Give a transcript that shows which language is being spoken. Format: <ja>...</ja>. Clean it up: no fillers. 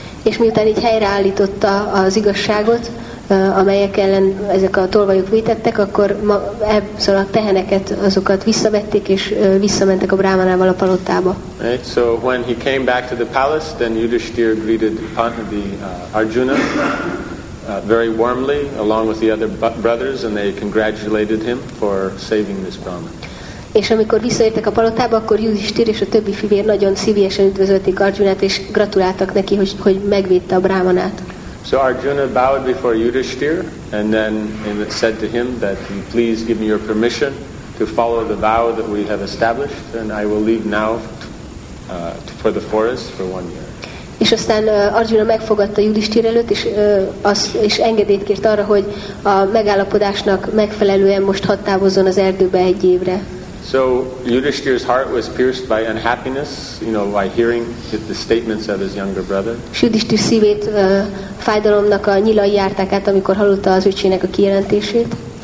<hu>És miután így helyreállította az igazságot, amelyek ellen ezek a tolvajok vétettek, akkor szóval a teheneket, azokat visszavették, és visszamentek a brámanával a palotába.</hu> <en>Right, so when he came back to the palace, then Yudhishthira greeted Arjuna very warmly, along with the other brothers, and they congratulated him for saving this brahman.</en> <hu>És amikor visszaértek a palotába, akkor Yudhishthira és a többi fivér nagyon szívesen üdvözölték Arjunát, és gratuláltak neki, hogy megvédte a brámanát.</hu> <en>So Arjuna bowed before Yudhishthira and then said to him that please give me your permission to follow the vow that we have established and I will leave now for the forest for 1 year.</en> <hu>És aztán Arjuna megfogadta Yudhishthira előtt, és engedélyt kért arra, hogy a megállapodásnak megfelelően most hadd távozzon az erdőbe 1 évre.</hu> <en>So Yudhishthira's heart was pierced by unhappiness, you know, by hearing the statements of his younger brother.</en> <hu>Yudhishthira szívét fájdalomnak a nyilai járták át, amikor hallotta az öcsének a kijelentését.</hu>